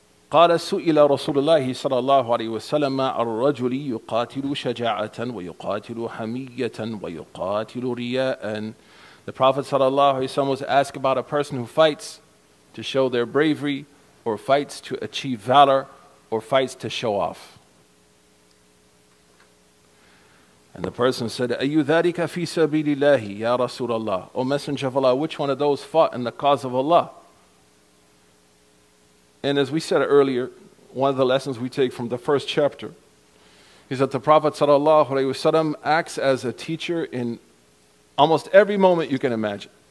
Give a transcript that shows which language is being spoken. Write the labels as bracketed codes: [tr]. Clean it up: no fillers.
[ar] قَالَ سُئِلَ رَسُولُ اللَّهِ صَلَى اللَّهُ عَلَيْهِ وَسَلَّمَ الرَّجُلِ يُقَاتِلُ شَجَاعَةً وَيُقَاتِلُ حَمِيَّةً وَيُقَاتِلُ رِيَاءً. [en] The Prophet sallallahu alaihi wasallam was asked about a person who fights to show their bravery, or fights to achieve valor, or fights to show off. And the person said, [ar] أَيُّ ذَلِكَ فِي سَبِيلِ اللَّهِ يَا رَسُولَ اللَّهِ. [en] O Messenger of Allah, which one of those fought in the cause of Allah? And as we said earlier, one of the lessons we take from the first chapter is that the Prophet sallallahu alaihi wasallam acts as a teacher in almost every moment you can imagine.